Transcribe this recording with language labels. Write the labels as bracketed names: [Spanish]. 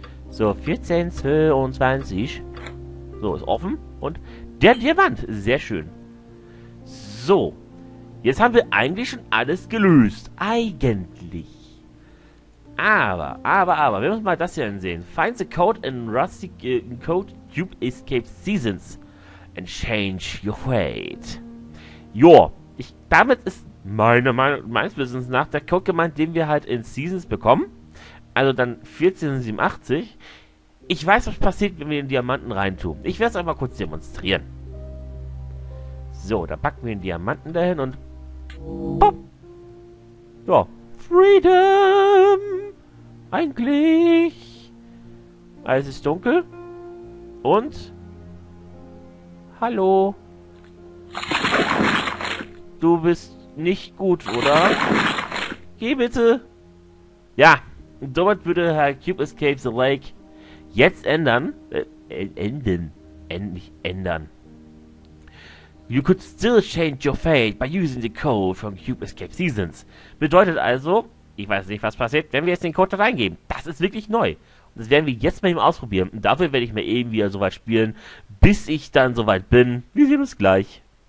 [German] So, 1422. So, ist offen. Und der Diamant. Sehr schön. So. Jetzt haben wir eigentlich schon alles gelöst. Eigentlich. Aber, wir müssen mal das hier ansehen. [English] Find the code in Rusty Code Cube Escape Seasons and change your fate. [German] Joa, damit ist meiner Meinung meines Wissens nach der Code gemeint, den wir halt in Seasons bekommen. Also dann 1487. Ich weiß, was passiert, wenn wir den Diamanten reintun. Ich werde es einmal kurz demonstrieren. So, da packen wir den Diamanten dahin und. Pop! Ja, Freedom! Eigentlich. Alles ist dunkel. Und. Hallo. Du bist nicht gut, oder? Geh bitte. Ja. Und damit würde Herr Cube Escape the Lake jetzt ändern. Endlich ändern. [English] You could still change your fate by using the code from Cube Escape Seasons. [German] Bedeutet also. Ich weiß nicht, was passiert, wenn wir jetzt den Code da reingeben. Das ist wirklich neu. Und das werden wir jetzt mal eben ausprobieren. Und dafür werde ich mir eben wieder soweit spielen, bis ich dann soweit bin. Wir sehen uns gleich.